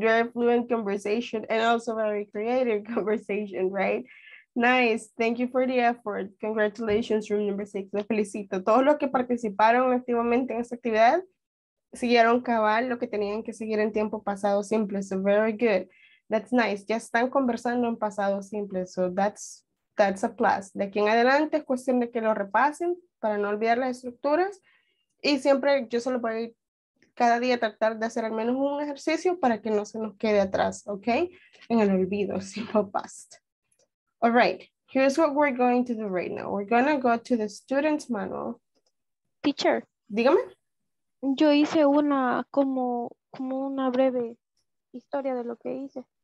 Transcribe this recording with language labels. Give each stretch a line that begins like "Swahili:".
English: Very fluent conversation and also very creative conversation, right? Nice. Thank you for the effort. Congratulations, room number six.
Spanish: Les felicito. Todos los que participaron activamente en esta actividad siguieron cabal lo que tenían que seguir en tiempo pasado simple.
English: So very good. That's nice.
Spanish: Ya están conversando en pasado simple.
English: So that's a plus.
Spanish: De aquí en adelante es cuestión de que lo repasen para no olvidar las estructuras. Y siempre yo solo voy a cada día tratar de hacer al menos un ejercicio para que no se nos quede atrás, ¿ok? En el olvido, simple past.
English: All right, here's what we're going to do right now. We're going to go to the student's manual. Teacher.
Spanish: Dígame. Yo hice una, como una breve historia de lo que hice.